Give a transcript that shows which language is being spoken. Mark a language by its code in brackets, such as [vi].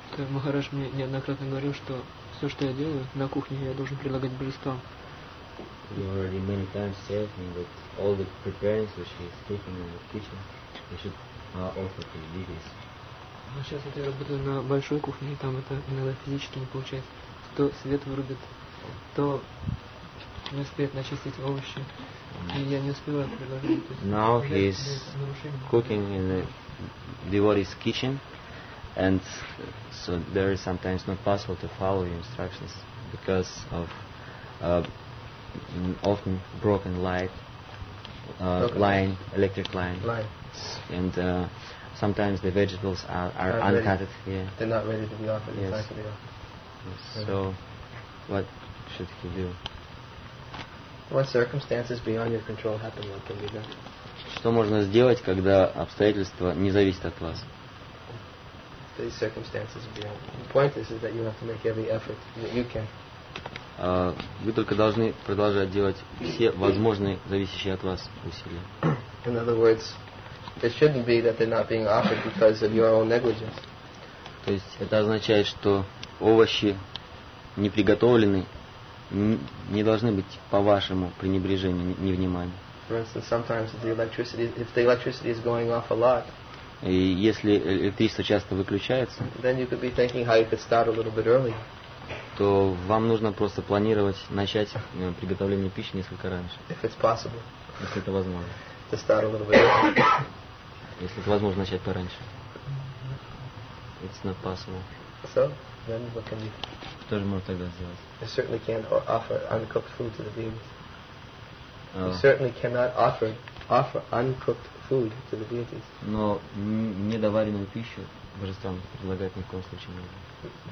[ru] Махарадж мне неоднократно говорил, что все, что я делаю на кухне, я должен предлагать божествам. [en] He already many times said to me that all the preparings which he is taking in the kitchen, they should offer to the deities. [ru] Сейчас вот я работаю на большой кухне, и там это иногда физически не получается. То свет вырубит, то не успеет начистить овощи, и я не успеваю приложить. [en] Now he is cooking in the devotee's kitchen, and so there is sometimes not possible to follow the instructions because of often broken light, line, electric line. And sometimes the vegetables are uncut. Yeah. They're not ready to be offered. Yes. Exactly. Yes. So, what should he do? What circumstances beyond your control happen? What can be done? [ru] Что можно сделать, когда обстоятельства не зависят от вас? [en] These circumstances beyond. The point is that you have to make every effort that you can. [ru] Вы только должны продолжать делать все возможные зависящие от вас усилия. [en] In other words. It shouldn't be that they're not being offered because of your own negligence. [ru] То есть это означает, что овощи не приготовлены, не должны быть по вашему пренебрежению, невниманию. [en] For instance, sometimes the electricity, if the electricity is going off a lot. [ru] И если электричество часто выключается. [en] Then you could be thinking how you could start a little bit early. [ru] То вам нужно просто планировать начать приготовление пищи несколько раньше. [en] If it's possible. [ru] Если это возможно. [en] To start a little bit early. [ru] Если это возможно начать пораньше. [en] It's not possible. So, then what can you? [ru] Что же можно тогда сделать? [en] You certainly can't offer uncooked food to the beings. You certainly cannot offer uncooked food to the beings. [ru] Но недоваренную пищу божествам предлагать ни в коем случае нельзя.